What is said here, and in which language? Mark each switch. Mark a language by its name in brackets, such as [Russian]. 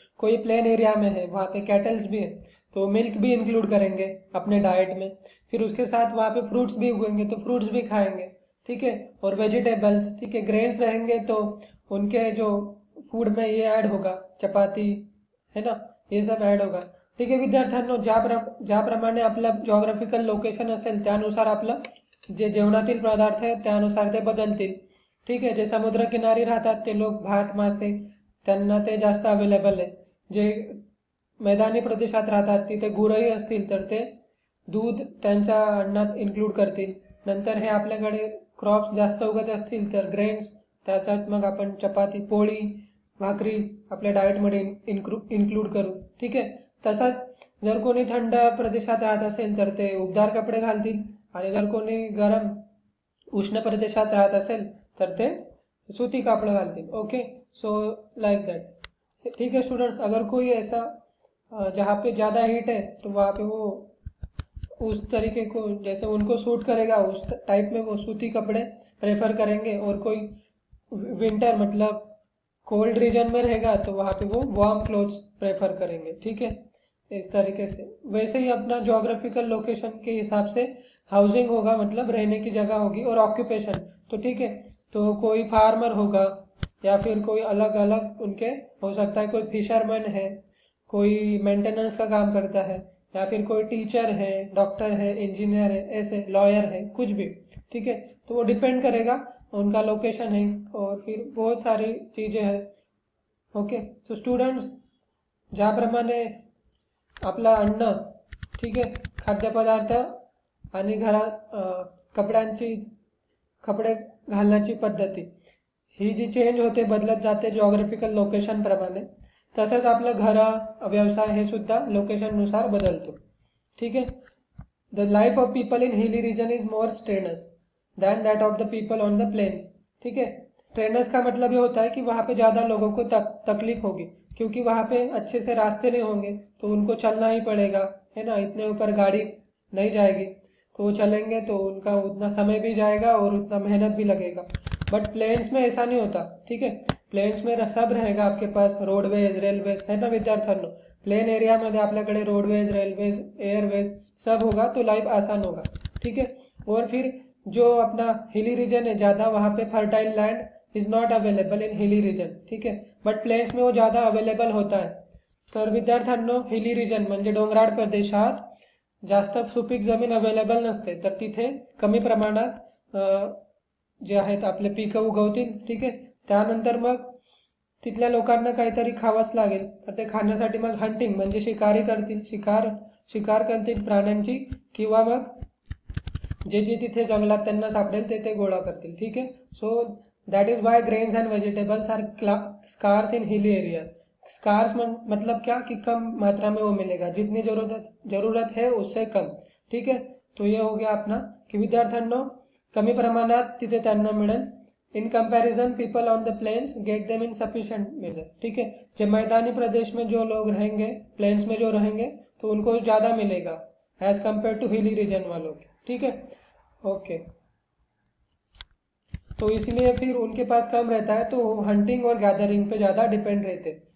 [Hindi] कोई plain area में है, वहाँ पे कैटल्स भी है, तो मिल्क भी इंक्लूड करेंगे अपने डाइट में. फिर उसके साथ वहाँ पे फ्रूट्स भी उगेंगे तो फ्रूट्स भी खाएंगे. ठीक है, और वेजिटेबल्स, ठीक है, ग्रेन्स रहेंगे तो उनके जो फूड में ये ऐड होगा, चपाती है ना, ये सब ऐड होगा. [Marathi] ठीक है विद्यार्थ्यांनो, ज्याप्रमाणे आपलं ज्योग्राफिकल लोकेशन असेल त्यानुसार आपलं जे जेवणातील पदार्थ आहे त्यानुसार ते बदलतील. ठीक आहे, जे समुद्र किनारी राहतात ते लोक भात मासे त्यांना ते जास्त अवेलेबल आहे. जे मैदानी प्रदेशात राहतात तिथे गुरंही असतील तर ते दूध त्यांच्या अन्नात इन्क्लूड करतील. नंतर हे आपल्याकडे क्रॉप्स जास्त उगत असतील तर ग्रेन्स, त्याच्यात मग आपण चपाती, पोळी, भाकरी आपल्या डाएटमध्ये इन्क्लूड करू. ठीक आहे, तसंच जर कोणी थंड प्रदेशात राहत असेल तर ते उबदार कपडे घालतील, आणि जर कोणी गरम उष्ण प्रदेशात राहत असेल तर ते सुती कपडे घालतील. [English] Okay, so like that. [Hindi] ठीक आहे स्टुडंट्स, अगर कोई ऐसा जहाँ पे ज्यादा हीट है तो वहाँ पे वो उस तरीके को जैसे उनको सूट करेगा उस टाइप में वो सूती कपड़े प्रेफर करेंगे, और कोई विंटर मतलब कोल्ड रीजन में रहेगा तो वहाँ पे वो वार्म क्लोथ्स प्रेफर करेंगे. ठीक है, इस तरीके से वैसे ही अपना ज्योग्राफिकल लोकेशन के हिसाब से हाउसिंग होगा, मतलब रहने की जगह होगी, और ऑक्यूपेशन, तो ठीक है, तो कोई फार्मर होगा या फिर कोई अलग अलग उनके हो सकता है, कोई फिशरमैन है, कोई मेंटेनेंस का काम करता है, या फिर कोई टीचर है, डॉक्टर है, इंजीनियर है, ऐसे लॉयर है, कुछ भी. ठीक है, तो वो डिपेंड करेगा उनका लोकेशन है, और फिर बहुत सारी चीज़ें हैं. [Marathi] ओके, सो स्टूडेंट्स, जहाँ प्रमाणे आपला अन्न, ठीक है, खाद्य पदार्थ आणि घर कपड्यांची कपडे घालण्याची पद्धती ही जी चेंज होते, बदलत जाते ज्योग्राफिकल लोकेशन प्रमाणे, तसंच आपलं घर व्यवसाय हे सुद्धा लोकेशननुसार बदलतो. [Hindi] ठीक है, [English] The life of people in hilly region is more strenuous than that of the people on the plains. [Hindi] ठीक है, स्ट्रेनस का मतलब ये होता है कि वहाँ पे ज़्यादा लोगों को तकलीफ होगी क्योंकि वहाँ पे अच्छे से रास्ते नहीं होंगे तो उनको चलना ही पड़ेगा, है ना, इतने ऊपर गाड़ी नहीं जाएगी, तो वो चलेंगे तो उनका उतना समय भी जाएगा और उतना मेहनत भी लगेगा. बट प्लेन्स में ऐसा नहीं होता. ठीक है, प्लेन्स में सब रहेगा आपके पास, रोडवेज, रेलवेज, है ना विद्यार्थियों, प्लेन एरिया में आपल्याकडे रोडवेज, रेलवेज, एयरवेज सब होगा तो लाइफ आसान होगा. ठीक है, और फिर जो अपना हिली रीजन है ज़्यादा, वहाँ पे [English] Fertile land is not available in hilly region. [Hindi] ठीक है, बट प्लेन्स में वो ज़्यादा अवेलेबल होता है. [Marathi] तर विद्यार्थ्यांनो, हिली रीजन म्हणजे डोंगराळ प्रदेशात जास्त सुपीक जमीन अवेलेबल नसते, तर तिथे कमी प्रमाणात जे आहेत आपले पिकं उगवतील. ठीक आहे, त्यानंतर मग तिथल्या लोकांना काहीतरी खावंच लागेल, तर ते खाण्यासाठी मग हंटिंग म्हणजे शिकारी करतील, शिकार करतील प्राण्यांची, किंवा मग जे जे तिथे जंगलात त्यांना सापडेल ते गोळा करतील. ठीक आहे, [English] So that is why grains and vegetables are scarce in hilly areas. [Hindi] Scars मतलब क्या, कि कम मात्रा में वो मिलेगा, जितनी जरूरत है उससे कम. ठीक है, तो ये हो गया अपना कि विद्यार्थ्यांनो, [Marathi] कमी प्रमाणात तिथे त्यांना मिळेल. [English] In comparison people on the plains get them in sufficient measure. [Hindi] ठीक है, जो मैदानी प्रदेश में जो लोग रहेंगे, प्लेन्स में जो रहेंगे, तो उनको ज़्यादा मिलेगा as compare to hilly region वालों के. ठीक है, ओके, तो इसलिए फिर उनके पास कम रहता है तो हंटिंग और गैदरिंग पे ज़्यादा डिपेंड रहते.